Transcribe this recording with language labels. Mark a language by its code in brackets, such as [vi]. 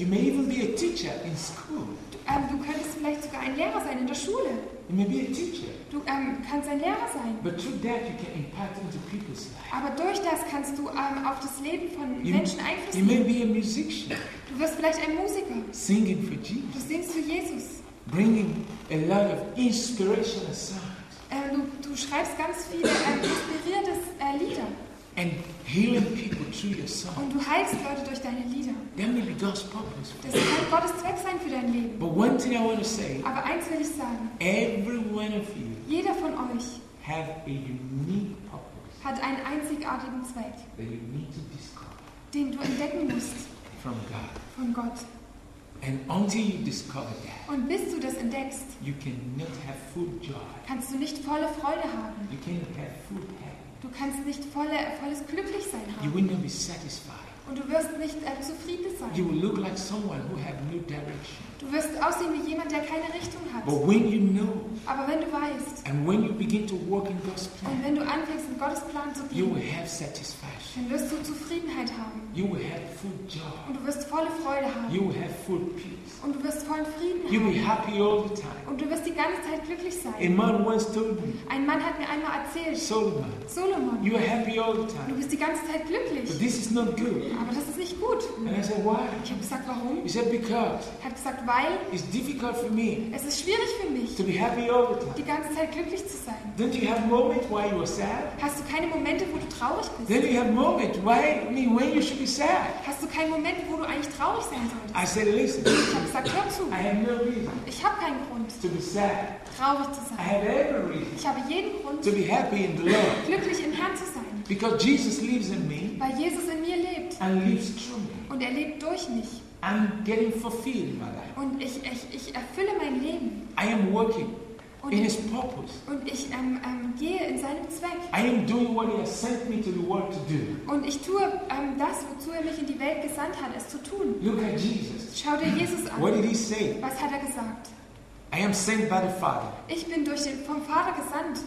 [en] You may even be a teacher in school. [de] Du könntest vielleicht sogar ein Lehrer sein in der Schule. [en] You may be a teacher. [de] Du kannst ein Lehrer sein. [en] But through that you can impact into people's life. [de] Aber durch das kannst du auf das Leben von Menschen Einfluss nehmen. [en] You may be a musician. [de] Du wirst vielleicht ein Musiker. [en] Singing for Jesus. [de] Du singst für Jesus. [en] Bringing a lot of inspirational songs. [de] Du schreibst ganz viele inspirierte Lieder. [en] And healing people through your song. [de] Und du heilst Leute durch deine Lieder. [en] That may be God's purpose. [de] Das kann Gottes Zweck sein für dein Leben. [en] But one thing I want to say. [de] Aber eins will ich sagen. [en] Every one of you. [de] Jeder von euch. [en] Have a unique purpose. [de] Hat einen einzigartigen Zweck. [en] That you need to discover. [de] Den du entdecken musst. [en] From God. [de] Von Gott. [en] And until you discover that. [de] Und bis du das entdeckst. [en] You cannot have full joy. [de] Kannst du nicht volle Freude haben. [en] You cannot have full happiness. [de] Du kannst nicht volles glücklich sein haben. [en] You will not be satisfied. [de] Und du wirst nicht zufrieden sein. [en] You will look like someone who have no direction. [de] Du wirst aussehen wie jemand, der keine Richtung hat. [en] But when you know, [de] aber wenn du weißt, [en] and when you begin to walk in God's plan, [de] und wenn du anfängst, in Gottes Plan zu gehen, [en] you will have satisfaction. [de] Dann wirst du Zufriedenheit haben. [en] You will have full joy. [de] Und du wirst volle Freude haben. [en] You will have full peace. [de] Und du wirst vollen Frieden [en] you [de] haben. [en] Be happy all the time. [de] Und du wirst die ganze Zeit glücklich sein. [en] A man once told me, [de] ein Mann hat mir einmal erzählt, [en] Solomon, you are happy all the time. [de] Du bist die ganze Zeit glücklich. [en] But this is not good. [de] Aber das ist nicht gut. [en] And I said, why? [de] Ich habe gesagt, warum? [en] He said, because. [de] Er hat gesagt, weil [en] it's difficult for me, [de] es ist schwierig für mich, [en] to be happy all the time. [de] Die ganze Zeit glücklich zu sein. [en] Don't you have moments while you are sad? [de] Hast du keine Momente, wo du traurig bist? [en] Don't you have moments why, when you should be sad? [de] Hast du keinen Moment, wo du eigentlich traurig sein solltest? [en] I said, listen. [de] Ich habe gesagt, hör zu. [en] I have no reason. [de] Ich habe keinen Grund, [en] to be sad. [de] Traurig zu sein. [en] I have every reason. [de] Ich habe jeden Grund, [en] to be happy in the Lord. [de] Glücklich im Herrn zu sein. [en] Because Jesus lives in me. [de] Weil Jesus in mir lebt. [en] And lives through me. [de] Und er lebt durch mich. [en] I'm getting fulfilled in my life. [de] Und ich erfülle mein Leben. [en] I am working in his purpose. [de] Und ich gehe in seinem Zweck. [en] I am doing what he has sent me to the world to do. [de] Und ich tue das, wozu er mich in die Welt gesandt hat, es zu tun. [en] Look at Jesus. [de] Schau dir Jesus an. [en] What did he say? [de] Was hat er gesagt? [en] I am sent by the Father. [de] Ich bin durch den vom Vater gesandt.